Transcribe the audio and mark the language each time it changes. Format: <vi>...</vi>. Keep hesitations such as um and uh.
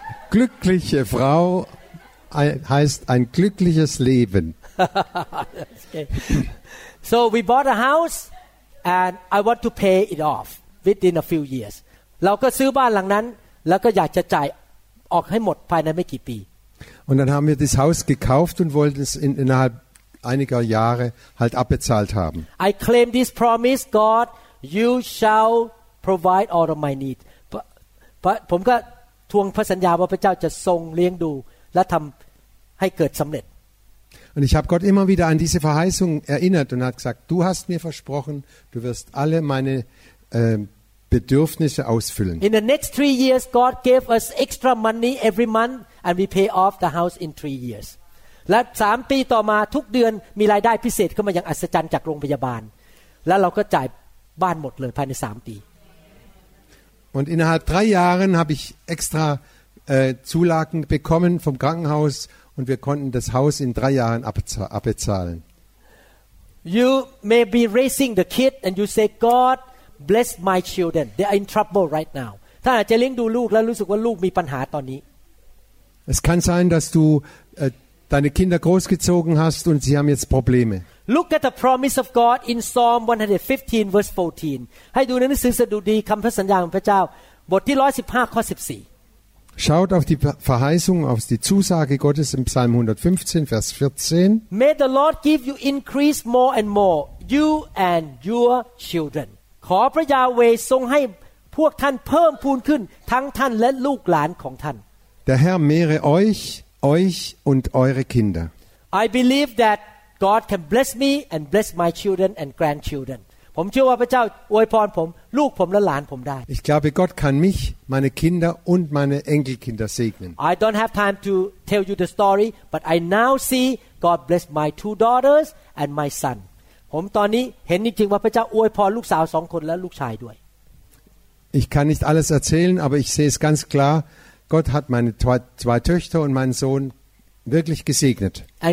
<de>Glückliche Frau heißt ein glückliches Leben.</de> <en>so we bought a house and I want to pay it off within a few years.</en> <th>เราก็ซื้อบ้านหลังนั้นแล้วก็อยากจะจ่ายออกให้หมดภายในไม่กี่ปี</th> <de>Und dann haben wir das Haus gekauft und wollten es innerhalb einiger Jahre halt abbezahlt haben.</de> <en>I claim this promise, God, you shall provide all of my need.</en> <th>พราะผมก็ทวงพระสัญญาว่าพระเจ้าจะทรงเลี้ยงดู และทําให้เกิดสําเร็จ</th> <de>Und ich habe Gott immer wieder an diese Verheißung erinnert und hat gesagt, du hast mir versprochen, du wirst alle meine äh, Bedürfnisse ausfüllen.</de> <en>In the next three years, God gave us extra money every month and we pay off the house in three years.</en> <de>Und drei Jahre später, jedes Monat, kommt ein Geld aus dem Krankenhaus. Und wir zahlen die ganze Zeit. Und innerhalb drei Jahren habe ich extra äh, Zulagen bekommen vom Krankenhaus und wir konnten das Haus in drei Jahren abbezahlen.</de> <en>You may be raising the kid and you say, God bless my children. They in trouble right now.</en> <th>ถ้าจะเลี้ยงดูลูกแล้วรู้สึกว่าลูกมีปัญหาตอนนี้</th> <de>Es kann sein, dass du äh, deine Kinder großgezogen hast und sie haben jetzt Probleme.</de> <en>Look at the promise of God in Psalm 115 verse 14.</en> <th>ให้ดูในหนังสือสดุดีคำพระสัญญาของพระเจ้า บทที่115ข้อ14</th> <de>Schaut auf die Verheißung, auf die Zusage Gottes im Psalm 115, Vers 14.</de> <en>May the Lord give you increase more and more, you and your children.</en> <th>ขอพระยาเวทรงให้พวกท่านเพิ่มพูนขึ้น ทั้งท่านและลูกหลานของท่าน</th> <de>Der Herr mehre euch, euch und eure Kinder.</de> <en>I believe that God can bless me and bless my children and grandchildren</en> <th>ผมเชื่อว่าพระเจ้าอวยพรผมลูกผมและหลานผมได้</th> <de>Ich glaube Gott kann mich meine Kinder und meine Enkelkinder segnen</de> <en>I don't have time to tell you the story but I now see God bless my two daughters and my son</en> <th>ผมตอนนี้เห็นจริงๆว่าพระเจ้าอวยพรลูกสาวสองคนและลูกชายด้วย</th> <de>Ich kann nicht alles erzählen aber ich sehe es ganz klar Gott hat meine zwei Töchter und meinen Sohn wirklich gesegnet.</de>